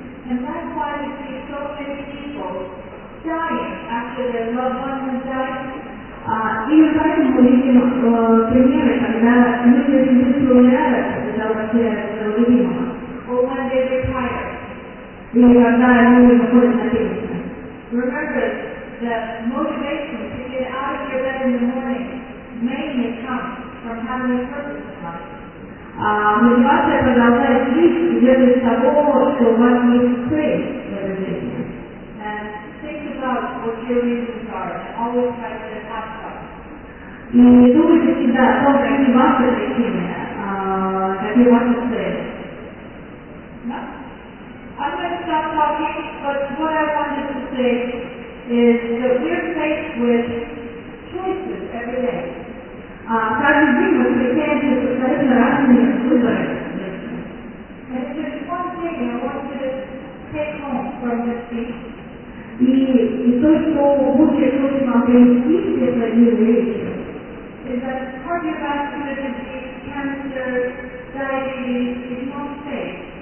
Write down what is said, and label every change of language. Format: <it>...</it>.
<en>And that's why we see so many people dying after their loved ones have died.</en> <ru>Именно поэтому мы видим примеры, когда люди очень быстро умирают, когда у вас теряется любимого.</ru> <en>Or when they retire.</en> <ru>Или когда люди выходят на пенсию.</ru> <en>Remember that motivation to get out of your bed in the morning mainly comes from having a purpose in life.</en> <ru>Мотивация продолжает жить, идет из того, что у вас есть цель в этой жизни.</ru> <en>And think about what your reasons are. Always try to ask them.</en> <ru>И не думайте всегда о том, какие ваши причины, какие ваши цели. No. I'm going to stop talking, but what I wanted to say is that we're faced with choices every day. Каждый день мы встречаемся с абсолютно разными выборами.</ru> <en>And just one thing I want to take home from this speech.</en> <ru>И то, что будет хочет вам принести из этой речи.</ru> <en>Is that cardiovascular disease, cancer, diabetes, is not safe.</en>